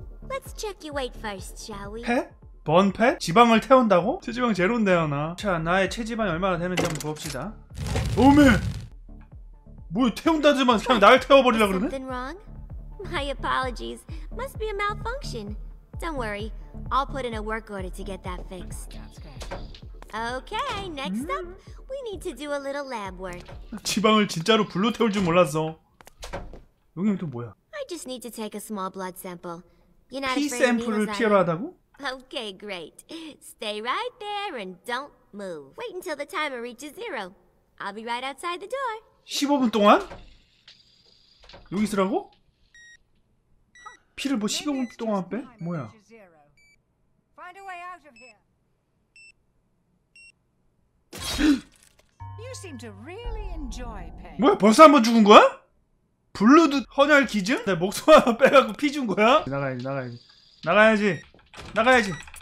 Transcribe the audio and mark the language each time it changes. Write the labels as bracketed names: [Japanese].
[English] Let's check your weight first, shall we? [Korean] 해? 번 팻? 지방을 태운다고? 체지방 제로인데요 나. 자, 나의 체지방이 얼마나 되는지 한번 봅시다. 어메! 뭐 태운다지만 그냥 날 태워버리려 그러네? [English] Something wrong? My apologies. Must be a malfunction. Don't worry. I'll put in a work order to get that fixed. Okay, next up, we need to do a little lab work. [Korean] 지방을 진짜로 불로 태울 줄 몰랐어. 여기 또 뭐야? [English] I just need to take a small blood sample. You're not afraid of needles, are you? [Korean] 피 필요로 하다고? [English] Okay, great. Stay right there and don't move. Wait until the timer reaches zero. I'll be right outside the door. [Korean] 15분 동안? 여기 있으라고? 피를 뭐 15분 동안 빼? 뭐야? [English] Find a way out of here. You seem to really enjoy pain. [Korean] 뭐야, 벌써 한번 죽은 거야? 블루드 헌혈 기증? 내 목숨 하나 빼갖고 피 준 거야? 나가야지, 나가야지. 나가야지. 나가야지.